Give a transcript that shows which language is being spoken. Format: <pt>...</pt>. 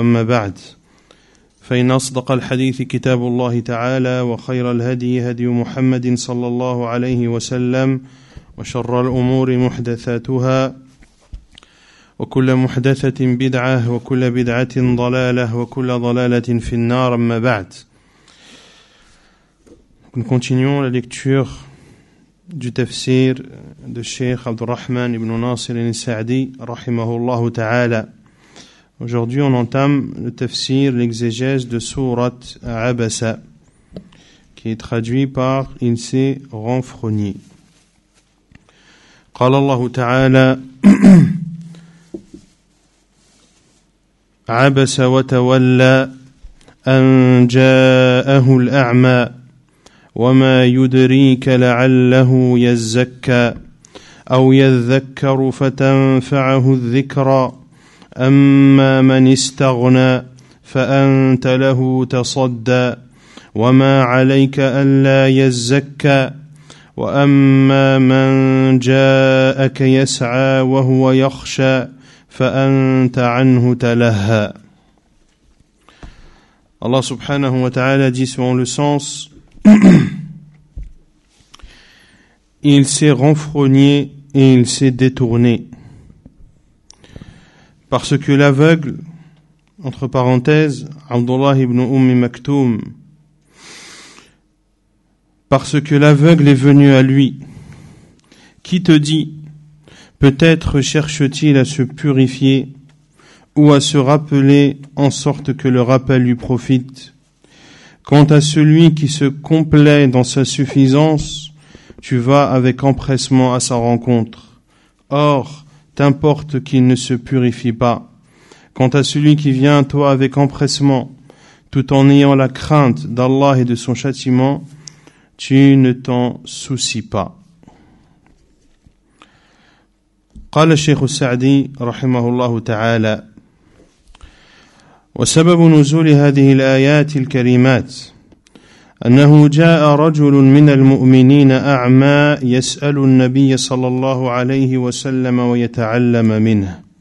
<ar>أما بعد، فإن أصدق الحديث كتاب الله تعالى، وخير الهدي هدي محمد صلى الله عليه وسلم، وشر الأمور محدثاتها، وكل محدثة بدعة، وكل بدعة ضلالة، وكل ضلالة في النار. أما بعد،</ar> <fr>continuons la lecture du tafsir de Cheikh Abdurrahman ibn Nasir al-Sa'di</fr> <ar>رحمه الله تعالى.</ar> <fr>Aujourd'hui, on entame le tafsir, l'exégèse de Sourat Abasa, qui est traduit par « Il s'est renfrogné ».</fr> <ar>قال الله تعالى « عبس وتولى أن جاءه الأعمى وما يدريك لعله يزكى أو يذكر فتنفعه الذكرى أما من استغنى فأنت له تصدى وما عليك ألا يزكى وأما من جاءك يسعى وهو يخشى فأنت عنه تلهى. الله سبحانه وتعالى</ar> <fr>dit selon le sens il s'est renfrogné et il s'est détourné. Parce que l'aveugle, entre parenthèses, Abdullah ibn Maktoum, parce que l'aveugle est venu à lui, qui te dit, peut-être cherche-t-il à se purifier ou à se rappeler en sorte que le rappel lui profite. Quant à celui qui se complaît dans sa suffisance, tu vas avec empressement à sa rencontre. Or, t'importe qu'il ne se purifie pas. Quant à celui qui vient à toi avec empressement, tout en ayant la crainte d'Allah et de son châtiment, tu ne t'en soucies pas.</fr> <ar>قال الشيخ السعدي رحمه الله تعالى وسبب نزول هذه الآيات الكريمات أنه جاء رجل من المؤمنين أعمى يسأل النبي صلى الله عليه وسلم ويتعلم منه،</ar>